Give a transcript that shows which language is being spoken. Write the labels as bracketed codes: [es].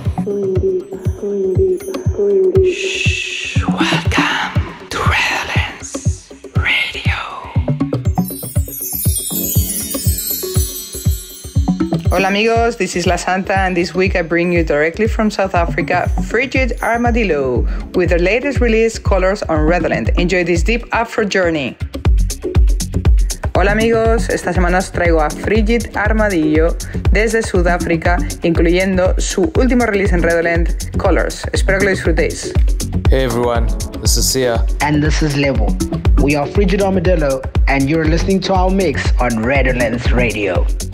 [es] Hola amigos, [en] this is La Santa, and this week I bring you directly from South Africa, Frigid Armadillo, with the latest release, Colors on Redolent. Enjoy this deep Afro journey. [es] Hola amigos, esta semana os traigo a Frigid Armadillo desde Sudáfrica, incluyendo su último release en Redolent, Colors. Espero que lo disfrutéis. [en] Hey everyone, this is Sia. And this is Lebo. We are Frigid Armadillo, and you're listening to our mix on Redolent Radio.